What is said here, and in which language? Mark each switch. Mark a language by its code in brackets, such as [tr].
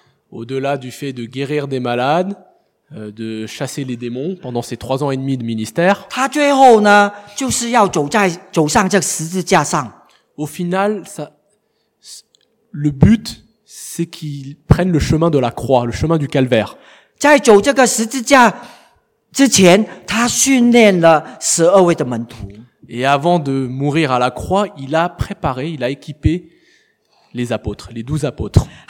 [fr] au-delà du fait de guérir des malades, de chasser les démons pendant ses 3 ans et demi de ministère. [zh] 他最后呢, 就是要走上这个十字架上。 [fr] Au final, le but, c'est qu'il prenne le chemin de la croix, le chemin du calvaire. [zh] 在走这个十字架之前, 他训练了12位的门徒。 [fr] Et avant de mourir à la croix, il a préparé, il a équipé les apôtres, les 12 apôtres.